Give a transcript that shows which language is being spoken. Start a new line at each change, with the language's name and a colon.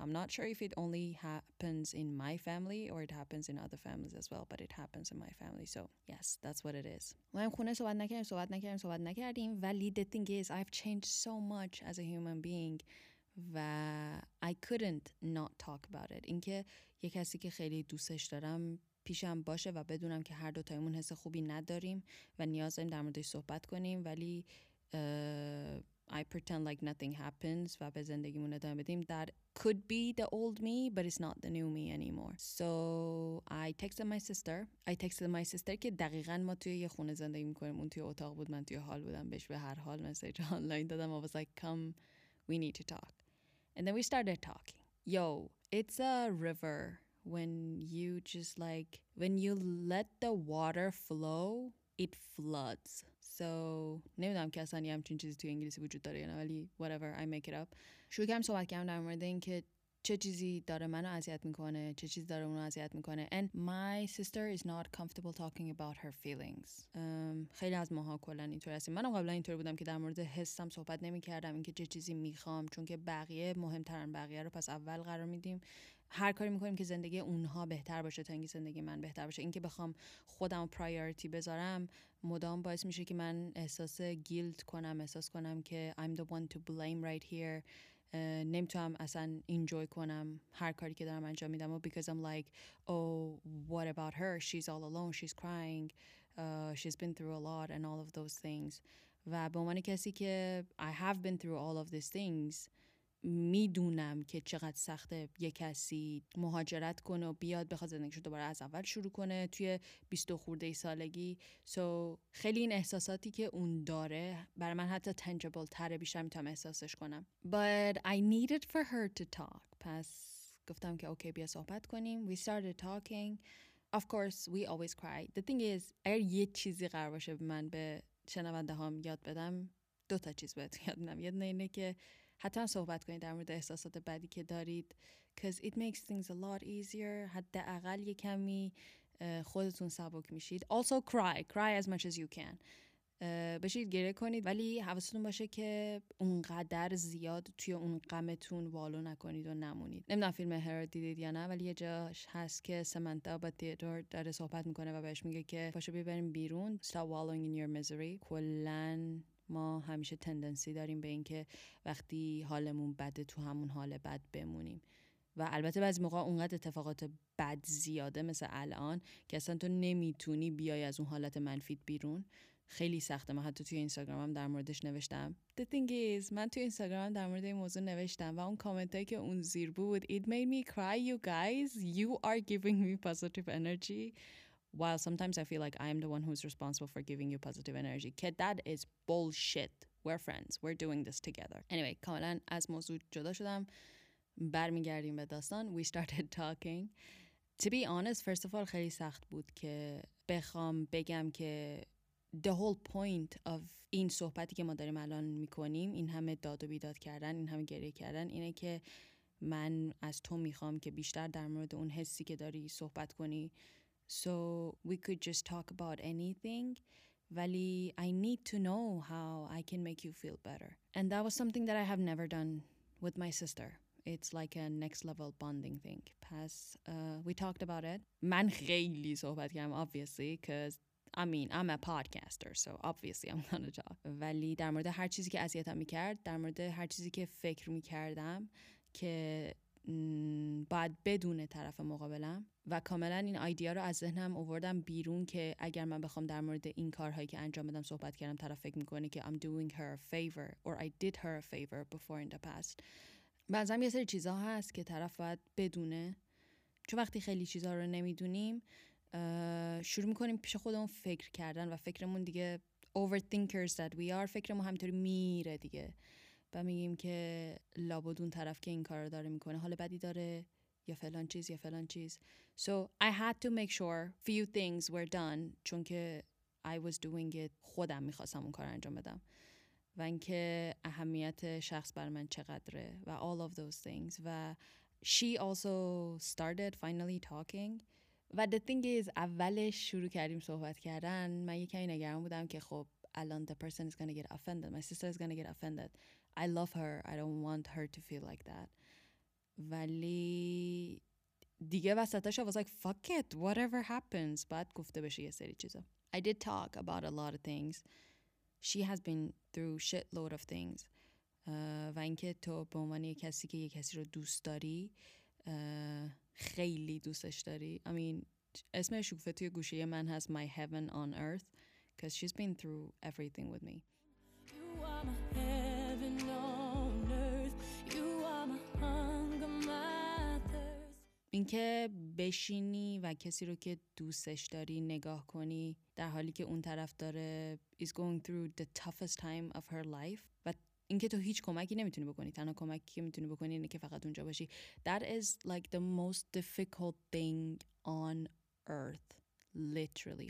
English: I'm not sure if it only happens in my family or it happens in other families as well, but it happens in my family. So yes, that's what it is.
Persian: ما هم خونه صحبت نکردیم، صحبت نکردیم، صحبت نکردیم. ولی
English: the thing is, I've changed so much as a human being, و I couldn't not talk about it.
Persian: اینکه یه کسی که خیلی دوستش دارم پیشم باشه و بدونم که هر دو تایمون حس خوبی نداریم و نیاز داریم در موردش صحبت کنیم، ولی
English: I pretend like nothing happens
Persian: و به زندگیمون ادامه بدیم.
English: That could be the old me, but it's not the new me anymore. So I texted my sister
Persian: که دقیقا ما توی یه خونه زندگی میکنیم، اون توی اتاق بود، من توی حال بودم، بهش به هر حال مسیج آنلاین دادم.
English: I was like, come, we need to talk. And then we started talking. Yo, it's a river. When you just like, when you let the water flow, it floods.
Persian: So نمیدونم که اصلا یه همچین چیزی توی انگلیسی وجود داره یا نه، ولی
English: whatever, I make it up.
Persian: شروع کردم صحبت کردم در مورد این که چه چیزی داره منو اذیت میکنه، چه چیزی داره اونو اذیت میکنه.
English: And my sister is not comfortable talking about her feelings.
Persian: خیلی از ماها کلا اینطور هستیم. منم قبلا اینطور بودم که در مورد حسم صحبت نمیکردم، اینکه چه چیزی میخوام، چون که بقیه مهمترن، بقیه رو پس اول قرار میدیم. هر کاری میکنیم که زندگی اونها بهتر باشه تا اینکه زندگی من بهتر باشه. اینکه بخوام خودم رو پرایوریتی بذارم مدام باعث میشه که من احساس گیلت کنم، احساس کنم که
English: I'm the one to blame right here.
Persian: نمیتونم اصلا انجوی کنم هر کاری که دارم انجام میدم و
English: because I'm like, oh, what about her? She's all alone. She's crying. She's been through a lot and all of those things.
Persian: و به عنوان کسی که
English: I have been through all of these things،
Persian: میدونم که چقدر سخته یه کسی مهاجرت کنه و بیاد بخواد زندگیش رو دوباره از اول شروع کنه توی 20 و خورده سالگی. سو خیلی این احساساتی که اون داره برای من حتی تنجبل تره، بیشتر میتونم احساسش کنم.
English: But I needed for her to talk.
Persian: پس گفتم که اوکی بیا صحبت کنیم.
English: We started talking. Of course, we always cry. The thing is,
Persian: اگر یه چیزی قرار باشه من به شنونده هم یاد بدم، دوتا چیز باید یاد بدم. یاد نینه که حتی هم صحبت کنید در مورد احساسات بدی که دارید،
English: because it makes things a lot easier.
Persian: حتی اقل یک کمی خودتون سبک میشید.
English: Also cry as much as you can.
Persian: بشید گریه کنید، ولی حواستون باشه که اونقدر زیاد توی اون غمتون والو نکنید و نمونید. نمیدونم فیلم هر دیدید یا نه، ولی یه جاش هست که سمانتا با تیدور داره صحبت میکنه و بهش میگه که پاشو ببریم بیرون.
English: Stop wallowing in your misery.
Persian: کلن ما همیشه تندنسی داریم به این که وقتی حالمون بده تو همون حال بد بمونیم، و البته بعضی موقع اونقدر اتفاقات بد زیاده مثل الان که اصلا تو نمیتونی بیای از اون حالت منفیت بیرون. خیلی سخته. من حتی توی اینستاگرامم در موردش نوشتم.
English: The thing is,
Persian: من توی اینستاگرامم در مورد این موضوع نوشتم و اون کامنتایی که اون زیر بود،
English: It made me cry, you guys. You are giving me positive energy. While sometimes I feel like I am the one who's responsible for giving you positive energy. Kid, that is bullshit. We're friends. We're doing this together.
Persian: Anyway, کاملا از موضوع جدا شدم. برمیگردیم به داستان.
English: We started talking. To be honest, first of all,
Persian: خیلی سخت بود که بخوام بگم که
English: the whole point of
Persian: این صحبتی که ما داریم الان میکنیم، این همه داد و بیداد کردن، این همه گریه کردن، اینه که من از تو میخوام که بیشتر در مورد اون حسی که داری صحبت کنی.
English: So we could just talk about anything. Vali, I need to know how I can make you feel better. And that was something that I have never done with my sister. It's like a next level bonding thing. Pass. We talked about it.
Persian: من خیلی صحبت کردم
English: obviously because I mean I'm a podcaster so obviously I'm gonna talk.
Persian: ولی در مورد هر چیزی که اذیتم میکرد، در مورد هر چیزی که فکر میکردم که باید بدون طرف مقابلم و کاملا این ایده رو از ذهنم آوردم بیرون که اگر من بخوام در مورد این کارهایی که انجام بدم صحبت کردم طرف فکر میکنه که
English: I'm doing her a favor or I did her a favor before in the past.
Persian: بعضی یه سری چیزها هست که طرف باید بدونه، چون وقتی خیلی چیزها رو نمیدونیم شروع میکنیم پیش خودمون فکر کردن و فکرمون دیگه
English: overthinkers that we are،
Persian: فکرمون همینطوری میره دیگه و میگیم که لابد اون طرف که این کار رو داره میکنه حال بدی داره یا فلان چیز یا فلان چیز.
English: So I had to make sure few things were done
Persian: چون که
English: I was doing it،
Persian: خودم میخواستم اون کار انجام بدم و اینکه اهمیت شخص بر من چقدره و
English: all of those things. و she also started finally talking و the thing is
Persian: اولش شروع کردیم صحبت کردن من یکمی نگران بودم که خب الان
English: the person is gonna get offended، my sister is gonna get offended، I love her، I don't want her to feel like that.
Persian: ولی دیگه وسطش
English: I was like fuck it whatever happens.
Persian: بعد گفته بشه یه سری چیزا.
English: I did talk about a lot of things. She has been through shitload of things.
Persian: و اینکه تو به عنوان یه کسی که یه کسی رو دوست داری خیلی دوستش داری،
English: I mean
Persian: اسم شوفه توی گوشه من هست My Heaven on Earth
English: because she's been through everything with me. You are my heaven on earth. You are my hunger, my thirst.
Persian: اینکه بشینی و کسی رو که دوستش داری نگاه کنی در حالی که اون طرف داره
English: is going through the toughest time of her life
Persian: و اینکه تو هیچ کمکی نمیتونی بکنی، تنها کمکی که میتونی بکنی اینه که فقط اونجا باشی.
English: That is like the most difficult thing on earth literally.